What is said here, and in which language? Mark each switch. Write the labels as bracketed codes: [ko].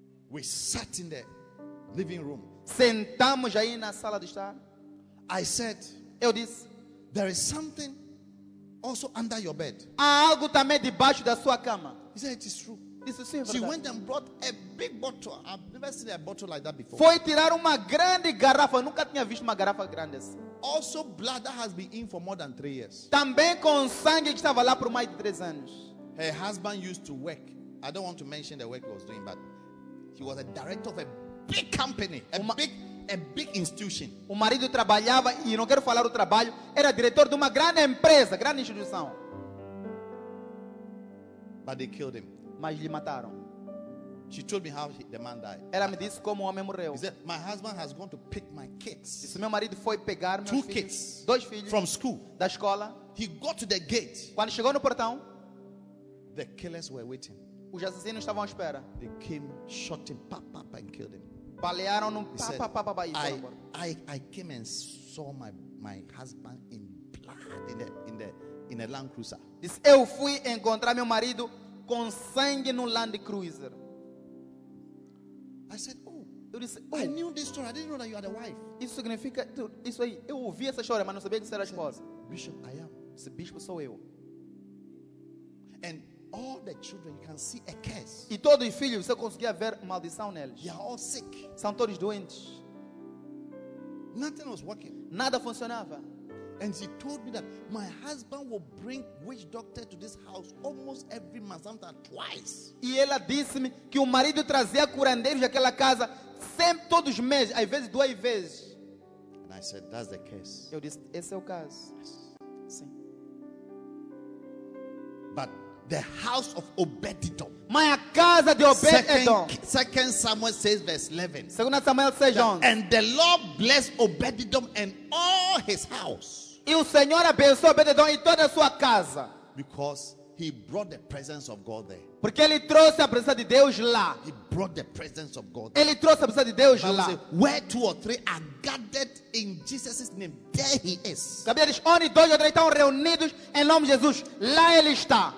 [en] We sat in the living room. [pt] Sentamos aí na sala de estar. [en] I said, [pt] eu disse, [en] there is something also under your bed. [pt] Há algo também debaixo da sua cama. [en] He said, it is true. [pt] Isso sim, [en] she went and brought a big bottle. I've never seen a bottle like that before. [pt] Foi tirar uma grande garrafa. Nunca tinha visto uma garrafa grande assim. [en] Also blood that has been in for more than 3 years. [pt] Também com sangue que estava lá por mais de 3 anos. [en] Her husband used to work. I don't want to mention the work he was doing, but he was a director of a big company, a big institution. [pt] O marido trabalhava e não quero falar o trabalho. Era diretor de uma grande empresa, grande instituição. [en] But they killed him. [pt] Mas lhe mataram. [en] She told me how the man died. [pt] Ela me disse como o homem morreu. [en] He said, "My husband has gone to pick my kids." [pt] Disse, meu marido foi pegar [en] two kids, [pt] dois filhos, [en] from school, [pt] da escola. [en] He got to the gate. [pt] Quando chegou no portão, [en] the killers were waiting. [pt] Os assassinos estavam à espera. [en] They came, shot him, pa pa pa, and killed him. [pt] Balearam no pa pa pa pa. [en] I came and saw my husband in blood in a Land Cruiser. [pt] Disse, eu fui encontrar meu marido com sangue no Land Cruiser. [en] I said, "Oh." [pt] Eu disse, "Oh." [en] I knew this story. I didn't know that you had a wife. [pt] Isso significa isso aí. Eu ouvi essa história, mas não sabia que você era a esposa. [en] Bishop, I am. [pt] Esse bispo sou eu. [en] And all the children can see a curse. [pt] E todos os filhos você conseguia ver maldição neles. [en] They are all sick. [pt] São todos doentes. [en] Nothing was working. [pt] Nada funcionava. [en] And she told me that my husband will bring witch doctor to this house almost every month, sometimes twice. [pt] E ela disse-me que o marido trazia curandeiros àquela casa sempre, todos os meses, às vezes duas vezes. [en] And I said, "That's the case." [pt] Eu disse, esse é o caso. [en] Yes. [pt] Sim. [en] But the house of Obed-Edom. [pt] Mas a casa de Obed-Edom. [en] 2 Samuel 6, verse 11. [pt] 2 Samuel 6, John. [en] And the Lord blessed Obed-Edom and all his house. [pt] E o Senhor abençoou Obed-Edom e toda a sua casa. [en] Because he brought the presence of God there. [pt] Porque ele trouxe a presença de Deus lá. [en] He brought the presence of God [pt] there. Ele trouxe a presença de Deus lá. [en] Say, where two or three are gathered in Jesus' name, there he is. [pt] Gabriel diz, onde dois ou três estão reunidos em nome de Jesus, lá ele está.